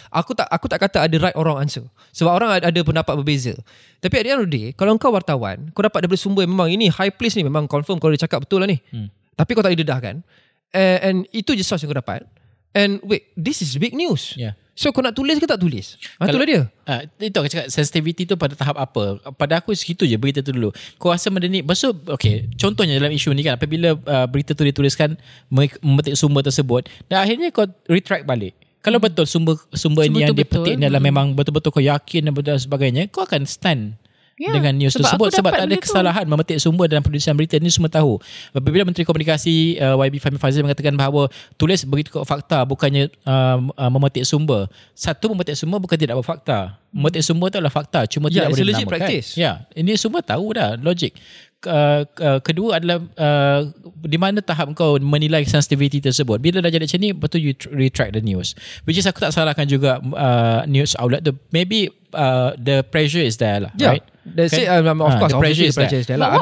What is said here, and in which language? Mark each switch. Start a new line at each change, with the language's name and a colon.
Malay: Aku tak kata ada
English: right or wrong answer.
Malay: Sebab orang ada pendapat berbeza. Tapi
English: at the end of the day,
Malay: kalau kau wartawan, kau dapat daripada sumber yang memang ini
English: high place
Malay: ni, memang confirm kau dah cakap betul lah ni. Tapi kau tak didedah kan? And itu je source yang kau dapat.
English: And wait, this is big news. Yeah.
Malay: So kau nak tulis ke tak tulis? Itulah dia. Itu aku cakap, sensitivity tu pada tahap apa? Pada aku segitu je berita tu dulu. Kau rasa benda ni, maksud, okay, contohnya dalam isu ni kan, apabila berita tu dituliskan, memetik sumber tersebut, dan akhirnya kau retract balik. Kalau betul sumber ini yang dipetik ni adalah memang betul-betul kau yakin dan sebagainya, kau akan stand dengan news sebab tersebut. Sebab tak ada kesalahan tu memetik sumber dalam penulisan berita ni, semua tahu. Bila Menteri Komunikasi YB Fahmi Fazil mengatakan bahawa tulis begitu fakta, bukannya memetik sumber. Satu, memetik sumber bukan tidak berfakta. Memetik sumber tu adalah fakta, cuma tidak boleh dinamakan.
English: Ya, it's a legit practice.
Malay: Ya, ini semua tahu dah, logik. Kedua adalah di mana tahap kau menilai sensitivity tersebut. Bila dah jadi macam ni, betul
English: you retract the news. Which is
Malay: aku tak salahkan juga news outlet tu.
English: Maybe the pressure is there lah, right? That's okay. Of course, the pressure is there.